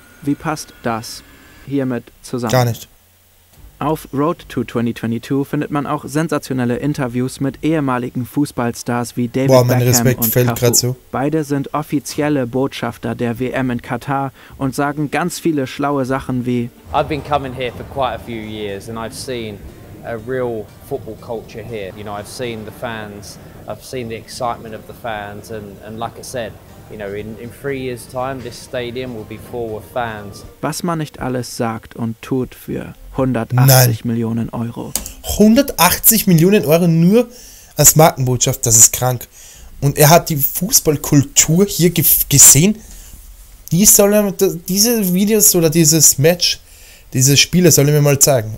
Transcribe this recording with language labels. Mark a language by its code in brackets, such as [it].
[de] Wie passt das hiermit zusammen? Gar nicht. Auf Road to 2022 findet man auch sensationelle Interviews mit ehemaligen Fußballstars wie David Beckham mein Respekt und fällt gerade zu. Beide sind offizielle Botschafter der WM in Katar und sagen ganz viele schlaue Sachen wie: [en] I've been coming here for quite a few years and I've seen a real football culture here. You know, I've seen the fans, I've seen the excitement of the fans and like I said, you know, in 3 years time this stadium will be full of fans. [de] Was man nicht alles sagt und tut für 180 Nein. Millionen Euro. 180 Millionen Euro nur als Markenbotschaft, das ist krank. Und er hat die Fußballkultur hier gesehen. Die soll er, diese Videos oder dieses Match, diese Spiele soll er mir mal zeigen.